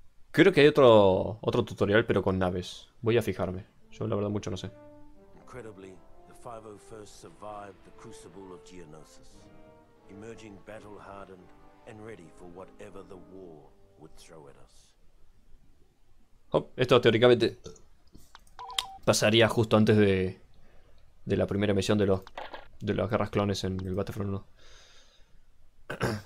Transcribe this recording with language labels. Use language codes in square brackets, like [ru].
[es] Creo que hay otro tutorial, pero con naves. Voy a fijarme. Yo la verdad mucho no sé. [en] Incredibly, the 501st survived the crucible of Geonosis, emerging battle-hardened and ready for whatever the war would throw at us. [es] Esto teóricamente pasaría justo antes de la primera misión de las guerras clones en el Battlefront 1.